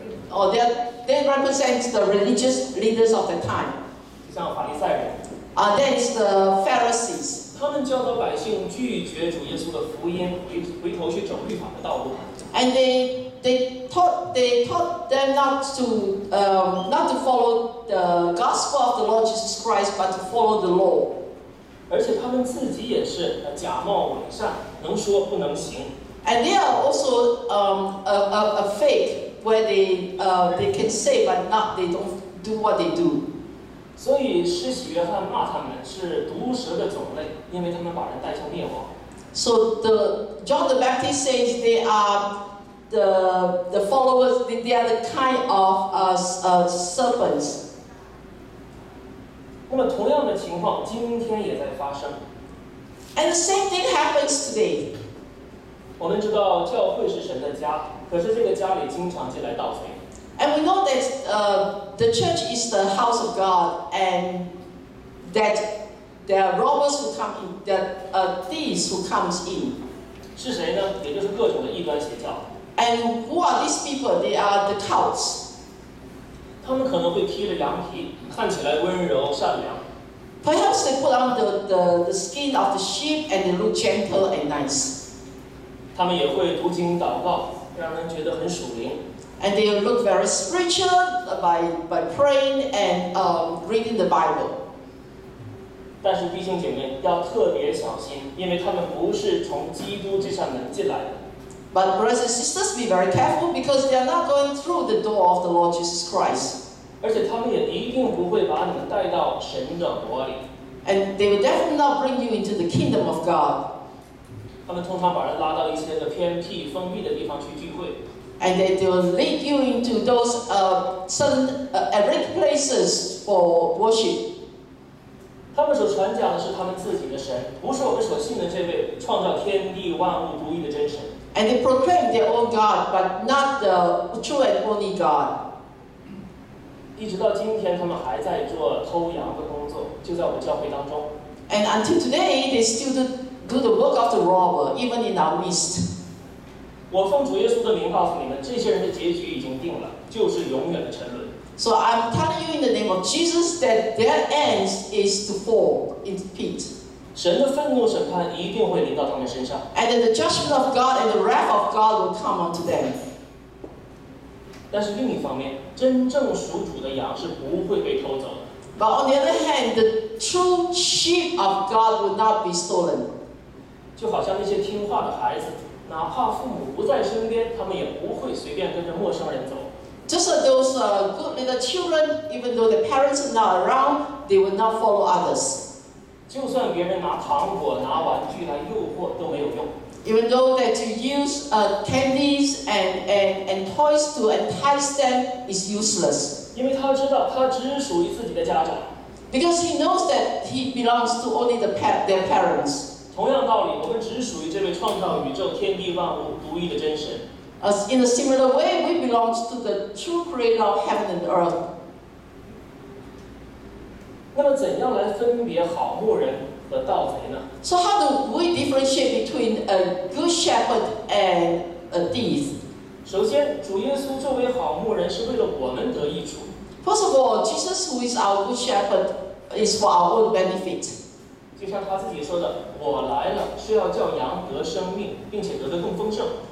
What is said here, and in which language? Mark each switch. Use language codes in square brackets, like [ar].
[en] Oh, they represent the religious leaders of the time. [zh] 像法利赛人。 [en] That is the Pharisees. [zh] 他们教导百姓拒绝主耶稣的福音，回头去走律法的道路。 [en] And they taught them not to follow the gospel of the Lord Jesus Christ, but to follow the law. [zh] 而且他们自己也是假冒伪善，能说不能行。 [en] And they are also a faith where they can say but not they don't do what they do. [zh] 所以施洗约翰骂他们是毒蛇的种类，因为他们把人带向灭亡。 [en] So the John the Baptist says they are the followers. They are the kind of serpents. [zh] 那么同样的情况今天也在发生。 [en] And the same thing happens today. [zh] 我们知道教会是神的家，可是这个家里经常进来盗贼。 [en] And we know that the church is the house of God, and that there are robbers who come in, that thieves who comes in. [zh] 是谁呢？也就是各种的异端邪教。 [en] And who are these people? They are the cults. [zh] 他们可能会披着羊皮，看起来温柔善良。 [en] Perhaps they put on the skin of the sheep and they look gentle and nice. [zh] 他们也会读经祷告，让人觉得很属灵。 [en] And they look very spiritual by praying and reading the Bible. [zh] 但是弟兄姐妹要特别小心，因为他们不是从基督这扇门进来的。 [en] But brothers and sisters, be very careful because they are not going through the door of the Lord Jesus Christ. [zh] 而且他们也一定不会把你们带到神的国里。 [en] And they will definitely not bring you into the kingdom of God. [zh] 他们通常把人拉到一些个偏僻封闭的地方去聚会。 [en] And they will lead you into those erect places for worship. [zh] 他们所传讲的是他们自己的神，不是我们所信的这位创造天地万物独一的真神。 [en] And they proclaim their own God, but not the true and only God. [zh] 一直到今天，他们还在做偷羊的工作，就在我们教会当中。 [en] And until today, they still do the work of the robber, even in our midst. [zh] 我奉主耶稣的名告诉你们，这些人的结局已经定了，就是永远的沉沦。 [en] So I'm telling you in the name of Jesus that their end is to fall into pit. [zh] 神的愤怒审判一定会临到他们身上。 [en] And then the judgment of God and the wrath of God will come unto them. [zh] 但是另一方面，真正属主的羊是不会被偷走的。 [en] But on the other hand, the true sheep of God will not be stolen. [zh] 就好像那些听话的孩子，哪怕父母不在身边，他们也不会随便跟着陌生人走。 [en] Just like those good little children, even though their parents are not around, they will not follow others. [zh] 就算别人拿糖果、拿玩具来诱惑，都没有用。 [en] Even though that to use candies and toys to entice them is useless. [zh] 因为他知道，他只属于自己的家长。 [en] Because he knows that he belongs to only their parents. [zh] 同样道理，我们只属于这位创造宇宙天地万物独一的真神。 [en] As in a similar way, we belong to the true creator of heaven and earth. [zh] 那么怎样来分别好牧人和盗贼呢？ [en] So how do we differentiate between a good shepherd and a thief? [zh] 首先，主耶稣作为好牧人是为了我们得益处。 [en] First of all, Jesus who is our good shepherd is for our own benefit. [zh] 就像他自己说的，我来了是要叫羊得生命，并且得的更丰盛。